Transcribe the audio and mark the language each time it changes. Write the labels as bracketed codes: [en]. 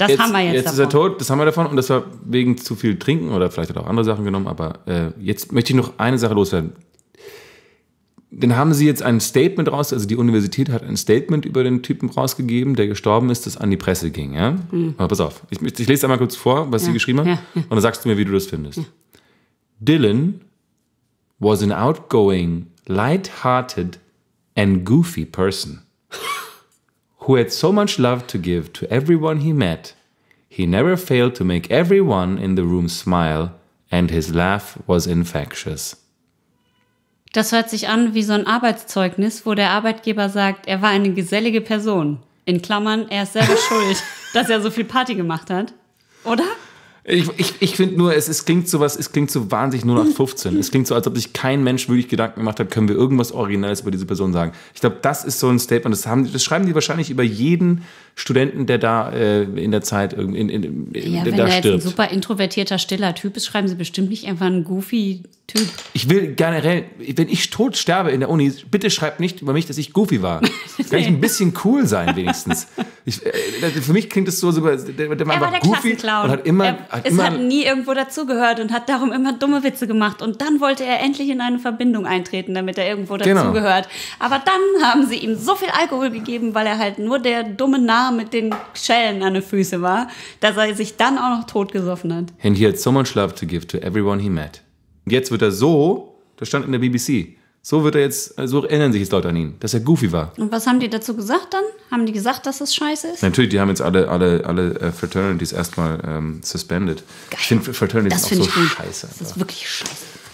[de] Jetzt ist er tot, das haben wir davon und das war wegen zu viel Trinken oder vielleicht hat er auch andere Sachen genommen, aber jetzt möchte ich noch eine Sache loswerden. Dann haben sie jetzt ein Statement die Universität hat ein Statement über den Typen rausgegeben, der gestorben ist, das an die Presse ging. Ja? Mhm. Aber pass auf, ich lese einmal kurz vor, was sie geschrieben haben und dann sagst du mir, wie du das findest. Ja. [en] Dylan was an outgoing, light-hearted and goofy person who had so much love to give to everyone he met. He never failed to make everyone in the room smile and his laugh was infectious. [de] Das hört sich an wie so ein Arbeitszeugnis, wo der Arbeitgeber sagt, er war eine gesellige Person. In Klammern, er ist selber schuld, dass er so viel Party gemacht hat. Oder? Ich finde nur, es klingt so wahnsinnig 0815. Es klingt so, als ob sich kein Mensch wirklich Gedanken gemacht hat, können wir irgendwas Originelles über diese Person sagen. Ich glaube, das ist so ein Statement. Das schreiben die wahrscheinlich über jeden Studenten, der da in der Zeit irgendwie da stirbt. Ja, wenn der ein super introvertierter, stiller Typ ist, schreiben sie bestimmt nicht einfach einen goofy Typ. Ich will generell, wenn ich tot sterbe in der Uni, bitte schreibt nicht über mich, dass ich goofy war. Nee. Kann ich ein bisschen cool sein wenigstens. Für mich klingt es so, der war goofy Klassenclown. Und hat immer... hat nie irgendwo dazugehört und hat darum immer dumme Witze gemacht. Und dann wollte er endlich in eine Verbindung eintreten, damit er irgendwo dazugehört. Genau. Aber dann haben sie ihm so viel Alkohol gegeben, weil er halt nur der dumme Narr mit den Schellen an den Füßen war, dass er sich dann auch noch totgesoffen hat. [en] And he had so much love to give to everyone he met. [de] Und jetzt wird er so, das stand in der BBC, so wird er jetzt, so erinnern sich die Leute an ihn, dass er goofy war. Und was haben die dazu gesagt dann? Haben die gesagt, dass das scheiße ist? Natürlich, die haben jetzt alle Fraternities erstmal suspended. Geil. Ich finde Fraternities auch so scheiße. Das ist wirklich scheiße.